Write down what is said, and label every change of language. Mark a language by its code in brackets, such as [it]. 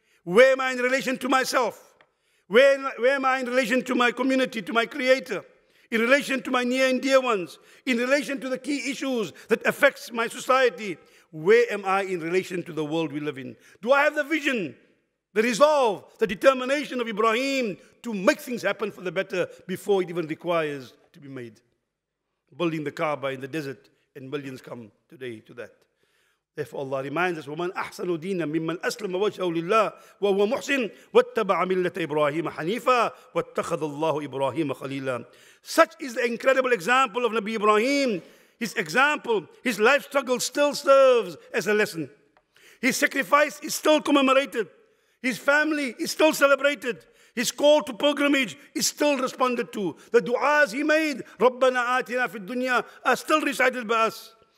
[en] Where am I in relation to myself? Where am I in relation to my community, to my creator, in relation to my near and dear ones, in relation to the key issues that affects my society? Where am I in relation to the world we live in? Do I have the vision, the resolve, the determination of Ibrahim to make things happen for the better before it even requires to be made? Building the Kaaba in the desert, and millions come today to that. Therefore, Allah reminds us, [ar] وَمَنْ أَحْسَنُ دِينًا مِمَّنْ أَسْلَمَ وَجْهَهُ لِلَّهِ وَهُوَ مُحْسِنٌ وَاتَّبَعَ مِلَّةَ إِبْرَاهِيمَ حَنِيفًا وَاتَّخَذَ اللَّهُ إِبْرَاهِيمَ خَلِيلًا. [en] Such is the incredible example of Nabi Ibrahim. His example, his life struggle still serves as a lesson. His sacrifice is still commemorated. His family is still celebrated. His call to pilgrimage is still responded to. The du'as he made, [ar] رَبَّنَا آتِنَا فِي الدُّنْيَا, [en] are still recited by us.